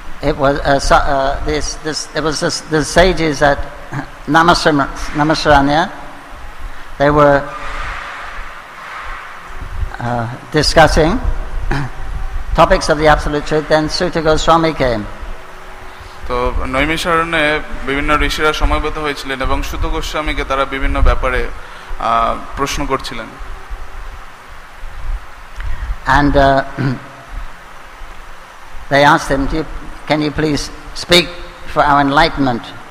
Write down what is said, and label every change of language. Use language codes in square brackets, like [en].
[en] It was the sages at Namasaranya. They were discussing topics of the absolute truth. Then Suta Goswami came. [bn] So Naimisharanye, বিভিন্ন ঋষিরা সমবেত হয়েছিলেন এবং Suta Goswamiকে তারা বিভিন্ন ব্যাপারে প্রশ্ন করছিলেন. [en] And they asked him, "Can you please speak for our enlightenment?"